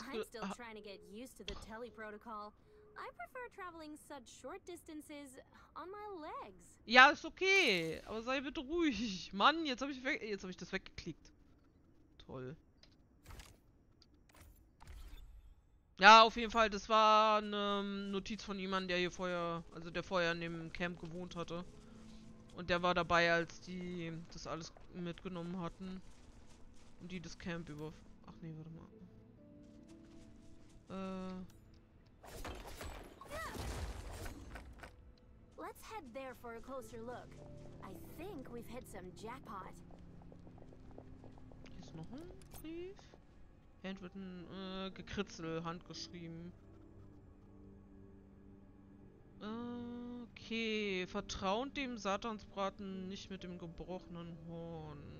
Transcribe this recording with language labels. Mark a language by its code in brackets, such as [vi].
[en] I prefer traveling such short distances on my legs. [de] Ja, ist okay. Aber sei bitte ruhig. Mann, jetzt hab ich das weggeklickt. Toll. Ja, auf jeden Fall. Das war eine Notiz von jemandem, der vorher in dem Camp gewohnt hatte. Und der war dabei, als die das alles mitgenommen hatten. Und die das Camp über... Ach nee, warte mal. [en] Let's head there for a closer look. I think we've hit some jackpot. [de] Ist noch ein Brief? Handwritten, gekritzel, handgeschrieben. Okay, vertraut dem Satansbraten nicht mit dem gebrochenen Horn.